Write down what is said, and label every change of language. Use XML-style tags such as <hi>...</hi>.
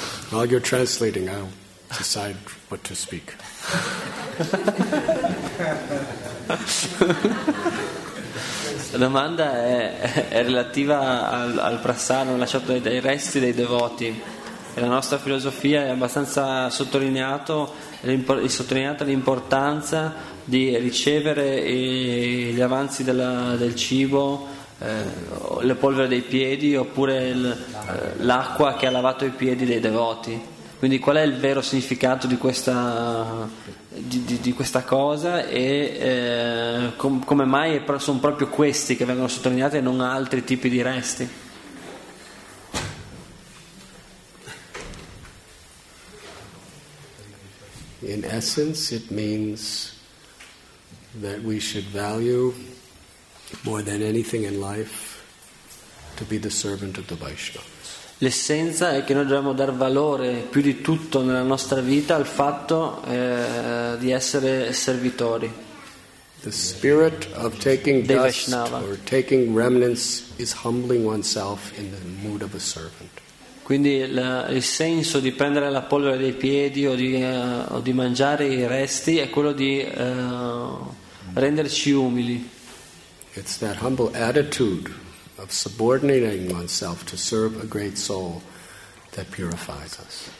<en>While you're translating, I'll decide what to speak.</en> <it>La domanda è relativa al prasana, lasciato dai resti dei devoti. E la nostra filosofia è abbastanza sottolineata l'importanza di ricevere gli avanzi del cibo, le polvere dei piedi, oppure l'acqua che ha lavato i piedi dei devoti. Quindi qual è il vero significato di questa questa cosa, e come mai sono proprio questi che vengono sottolineati e non altri tipi di resti?</it> <en>In essence, it means that we should value more than anything in life to be the servant of the Vaishnavas.</en> <it>L'essenza è che noi dobbiamo dar valore più di tutto nella nostra vita al fatto di essere servitori.</it> <en>The spirit of taking dust or taking remnants is humbling oneself in the mood of a servant.</en> <it>Quindi il senso di prendere la polvere dei piedi o di mangiare i resti è quello di renderci umili.</it> <en>It's that humble attitude of subordinating oneself to serve a great soul that purifies us.</en>